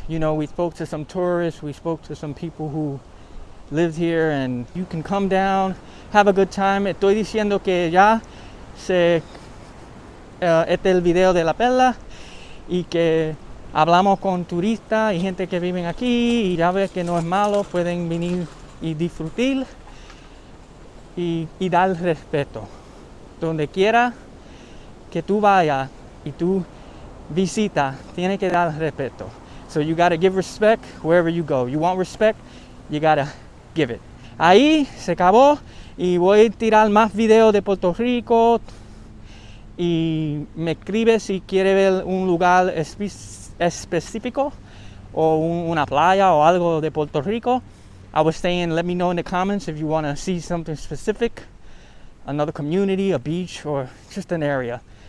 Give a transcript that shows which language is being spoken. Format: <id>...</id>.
<en>You know, we spoke to some tourists, we spoke to some people who lived here, and you can come down, have a good time.</en> <es>Estoy diciendo que ya se este el video de La Perla y que hablamos con turistas y gente que viven aquí y ya ves que no es malo, pueden venir y disfrutar y dar respeto donde quiera que tú vayas. Y tu visita tiene que dar respeto.</es> <en>So you gotta give respect wherever you go. You want respect, you gotta give it.</en> <es>Ahí se acabó y voy a tirar más videos de Puerto Rico. Y me escribe si quiere ver un lugar específico o una playa o algo de Puerto Rico.</es> <en>I was saying, let me know in the comments if you want to see something specific, another community, a beach, or just an area.</en>